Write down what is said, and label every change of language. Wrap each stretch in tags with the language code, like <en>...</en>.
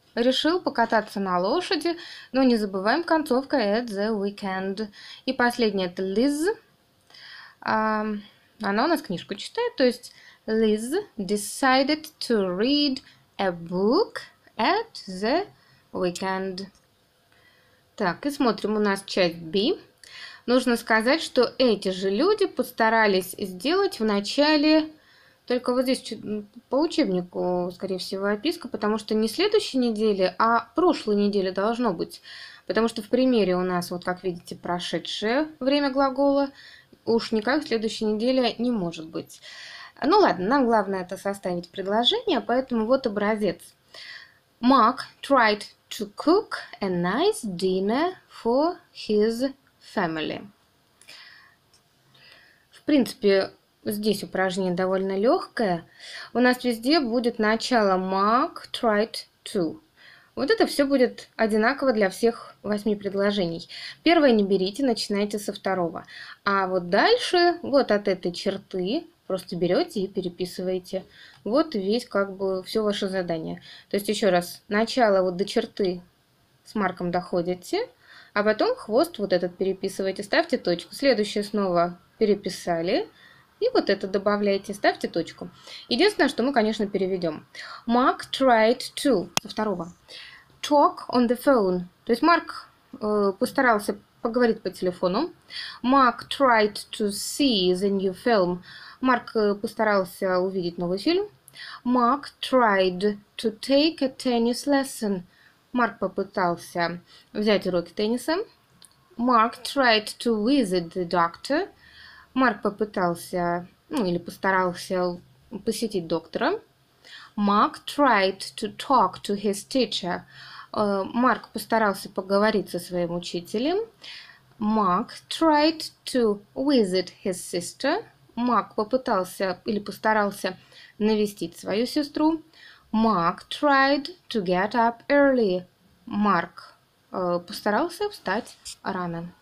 <ru>Решил покататься на лошади, но не забываем концовка</ru> <en>at the weekend.</en> <ru>И последнее это Liz. Она у нас книжку читает, то есть</ru> <en>Liz decided to read a book at the weekend.</en> <ru>Так, и смотрим у нас часть B. Нужно сказать, что эти же люди постарались сделать в начале... Только вот здесь по учебнику, скорее всего, описка, потому что не следующей недели, а прошлой недели должно быть. Потому что в примере у нас, вот как видите, прошедшее время глагола. Уж никак следующей неделе не может быть. Ну ладно, нам главное это составить предложение, поэтому вот образец.</ru> <en>Mark tried to cook a nice dinner for his family.</en> <ru>В принципе... Здесь упражнение довольно легкое. У нас везде будет начало Mark tried to. Вот это все будет одинаково для всех 8 предложений. Первое не берите, начинайте со второго. А вот дальше, вот от этой черты, просто берете и переписываете. Вот весь, как бы, все ваше задание. То есть, еще раз, начало вот до черты с Марком доходите, а потом хвост вот этот переписываете, ставьте точку. Следующее снова переписали. И вот это добавляете, ставьте точку. Единственное, что мы, конечно, переведем.</ru> <en>Mark tried to,</en> <ru>со второго,</ru> <en>talk on the phone.</en> <ru>То есть Марк постарался поговорить по телефону.</ru> <en>Mark tried to see the new film.</en> <ru>Марк постарался увидеть новый фильм.</ru> <en>Mark tried to take a tennis lesson.</en> <ru>Марк попытался взять уроки тенниса.</ru> <en>Mark tried to visit the doctor.</en> <ru>Марк попытался, ну или постарался посетить доктора.</ru> <en>Mark tried to talk to his teacher.</en> <ru>Марк постарался поговорить со своим учителем.</ru> <en>Mark tried to visit his sister.</en> <ru>Марк попытался или постарался навестить свою сестру.</ru> <en>Mark tried to get up early.</en> <ru>Марк постарался встать рано.</ru>